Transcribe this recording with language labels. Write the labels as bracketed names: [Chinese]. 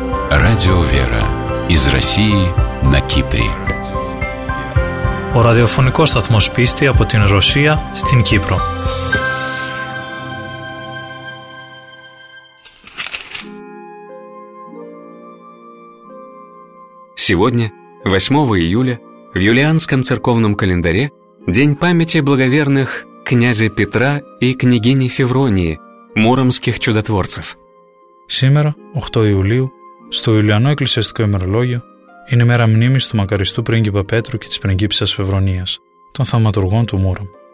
[Russian] Радио «Вера» из России на Кипре. [Greek] Ο ραδιοφωνικός σταθμός πίστη από την Ρωσία στην Κύπρο. [Russian] Сегодня, 8 июля, в юлианском церковном календаре День памяти благоверных князя Петра и княгини Февронии, муромских чудотворцев. Сегодня, 8 июля, [Greek] στο Ιουλιανό Εκκλησιαστικό Ημερολόγιο είναι η μέρα μνήμης του μακαριστού πρίγκιπα Πέτρου και της πριγκίπισσας Φευρονίας, των θαυματουργών του Μούρων.